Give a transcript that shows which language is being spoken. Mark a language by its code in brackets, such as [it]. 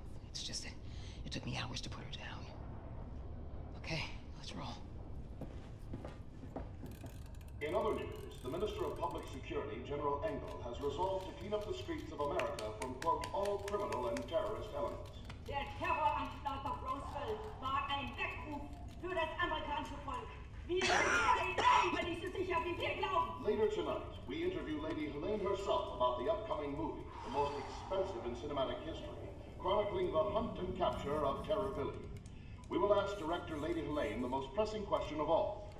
[en] It's just that it took me hours to put her down. Okay, let's roll. In other news, the Minister of Public Security, General Engel, has resolved to clean up the streets of America from, quote, all criminal and terrorist elements. [de] Der Terror am Staat of Roosevelt war ein Weckruf. [en] Later tonight, we interview Lady Helene herself about the upcoming movie, the most expensive in cinematic history, chronicling the hunt and capture of Terror Billy. We will ask director Lady Helene the most pressing question of all.